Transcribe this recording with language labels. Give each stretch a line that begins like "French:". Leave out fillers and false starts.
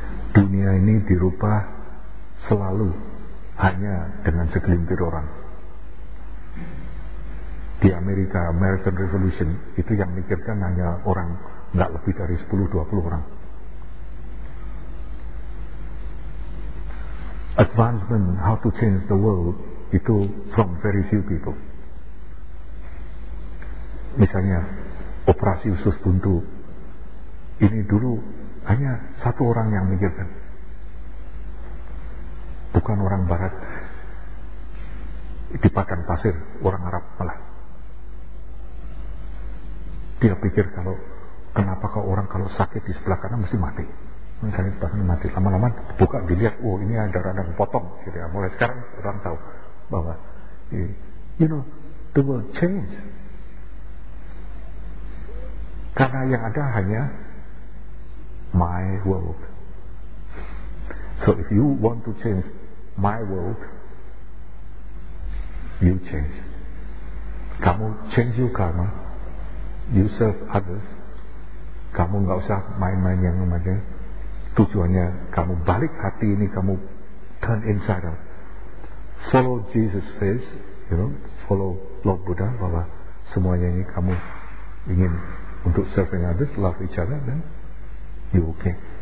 Indonesian: Dunia ini dirubah selalu hanya dengan segelintir orang. Di Amerika, American Revolution, itu yang mikirkan hanya orang, enggak lebih dari 10-20 orang.
English: Advancement, how to change the world,
Indonesian: itu
English: from very few people.
Indonesian: Misalnya operasi usus buntu, ini dulu hanya satu orang yang mikirkan, bukan orang barat di padang pasir, orang Arab malah. Dia pikir kalau kenapa kok orang kalau sakit di sebelah kanan mesti mati, mungkin bahkan mati. Lama-lama buka dilihat, oh ini ada radang potong. Jadi mulai sekarang orang tahu bahwa
English: you know the world change.
Indonesian: Karena yang ada hanya
English: my world. So if you want to change my world, you change.
Indonesian: Kamu
English: change your karma, you serve others.
Indonesian: Kamu enggak usah main-main yang macam. Tujuannya kamu balik hati ini, kamu
English: turn inside out. Follow Jesus says, you know, follow Lord Buddha,
Indonesian: bahwa semuanya ini kamu ingin untuk
English: serving others, love each other, then you okay.